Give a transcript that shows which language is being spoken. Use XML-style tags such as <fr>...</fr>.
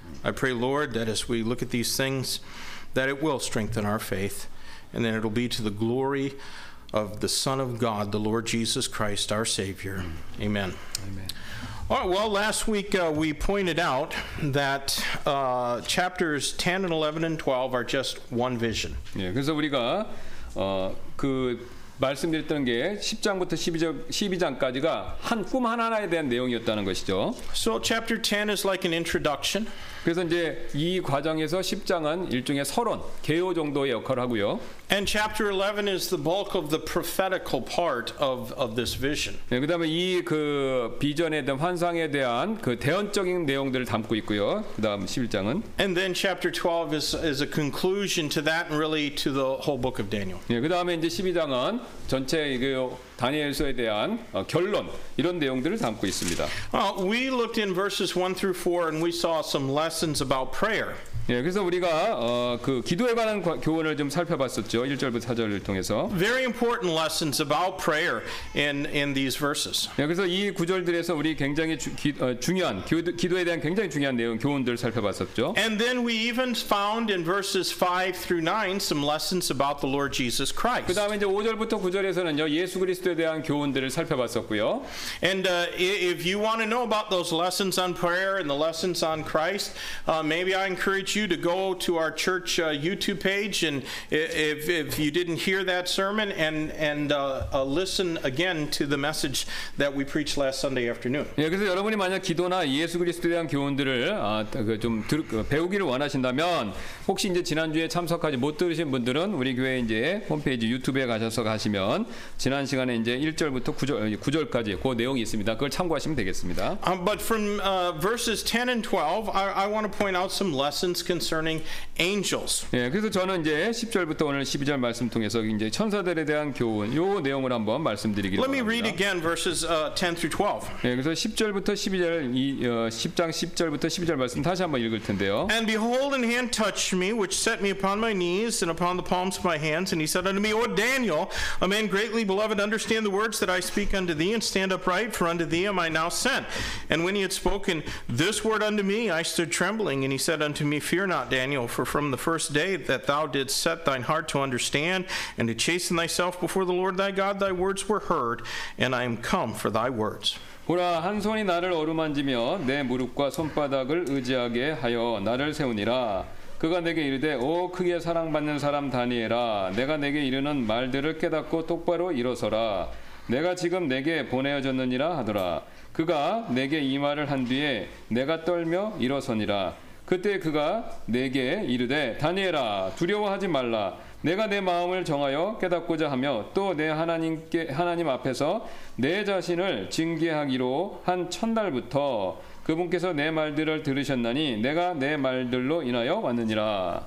<en>I pray, Lord, that as we look at these things, that it will strengthen our faith, and that it'll be to the glory of the Son of God, the Lord Jesus Christ, our Savior. Amen. All right, well, last week we pointed out that chapters 10 and 11 and 12 are just one vision.</en> <ko>예, 그래서 우리가 그 말씀드렸던 게 10장부터 12장까지가 한 꿈 하나에 대한 내용이었다는 것이죠.</ko> <en>So chapter 10 is like an introduction.</en> <ko>그래서 이제 이 과정에서 10장은 일종의 서론, 개요 정도의 역할을 하고요.</ko> <en>And chapter 11 is the bulk of the prophetical part of this vision.</en> <ko>네, 그다음에 이 그 비전에 대한 환상에 대한 그 대언적인 내용들을 담고 있고요. 그다음 11장은</ko> <en>And then chapter 12 is a conclusion to that and really to the whole book of Daniel.</en> <ko>네, 그다음에 이제 12장은 전체 그 다니엘서에 대한 결론 이런 내용들을 담고 있습니다.</ko> <en>We looked in verses 1 through 4 and we saw some lessons about prayer.</en> <ko>예, 그래서 우리가 그 기도에 관한 교훈을 좀 살펴봤었죠. 1절부터 4절을 통해서.</ko> <en>Very important lessons about prayer in these verses.</en> <ko>예, 그래서 이 구절들에서 우리 굉장히 중요한 기도에 대한 굉장히 중요한 내용 교훈들을 살펴봤었죠.</ko> <en>And then we even found in verses 5 through 9 some lessons about the Lord Jesus Christ.</en> <ko>그다음에 이제 5절부터 9절에서는요. 예수 그리스도에 대한 교훈들을 살펴봤었고요.</ko> <en>And if you want to know about those lessons on prayer and the lessons on Christ, maybe I encourage you to go to our church YouTube page, and if you didn't hear that sermon, and listen again to the message that we preached last Sunday afternoon.</en> <ko>예, 그래서 여러분이 만약 기도나 예수 그리스도에 대한 교훈들을 배우기를 원하신다면, 혹시 이제 지난 주에 참석하지 못 들으신 분들은 우리 교회 이제 홈페이지 유튜브에 가셔서 가시면 지난 시간에 이제 1절부터 9절까지 그 내용이 있습니다. 그걸 참고하시면 되겠습니다.</ko> <en>But from verses 10 and 12, I want to point out some lessons. concerning angels.</en> <ko>예, 그래서 저는 이제 10절부터 오늘 12절 말씀 통해서 이제 천사들에 대한 교훈 요 내용을 한번 말씀드리기로 합니다.</ko> <en>Let me read again verses 10 through 12.</en> <ko>예, 그래서 10절부터 12절 이 10장 10절부터 12절 말씀 다시 한번 읽을 텐데요.</ko> <en>And behold, an hand touched me, which set me upon my knees and upon the palms of my hands, and he said unto me, O Daniel, a man greatly beloved, understand the words that I speak unto thee, and stand upright, for unto thee am I now sent. And when he had spoken this word unto me, I stood trembling, and he said unto me, Fear not, Daniel, for from the first day that thou didst set thine heart to understand and to chasten thyself before the Lord thy God, thy words were heard, and I am come for thy words.</en> <ko>보라, 한 손이 나를 어루만지며 내 무릎과 손바닥을 의지하게 하여 나를 세우니라. 그가 내게 이르되 오 크게 사랑받는 사람 다니엘아 내가 내게 이르는 말들을 깨닫고 똑바로 일어서라 내가 지금 내게 보내어졌느니라 하더라 그가 내게 이 말을 한 뒤에 내가 떨며 일어서니라 그때 그가 내게 이르되 다니엘아 두려워하지 말라 내가 내 마음을 정하여 깨닫고자 하며 또 내 하나님께 하나님 앞에서 내 자신을 징계하기로 한 첫날부터 그분께서 내 말들을 들으셨나니 내가 내 말들로 인하여 왔느니라.</ko>